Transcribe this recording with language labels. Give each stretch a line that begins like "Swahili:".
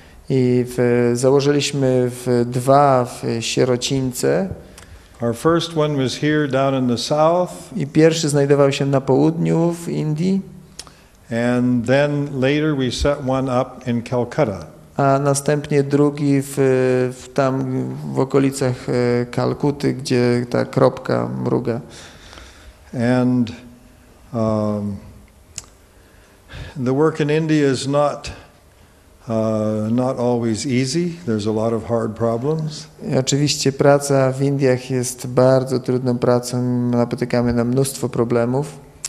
Polish: I założyliśmy dwa sierocińce.
English: Our first one was here down in the south.
Polish: I pierwszy znajdował się na południu w Indii.
English: And then later we set one up in Calcutta.
Polish: A następnie drugi tam w okolicach Kalkuty, gdzie ta kropka mruga.
English: And the work in India is not always easy. There's a lot of hard problems.
Polish: Oczywiście praca w Indiach jest bardzo trudną pracą. Napotykamy na mnóstwo problemów.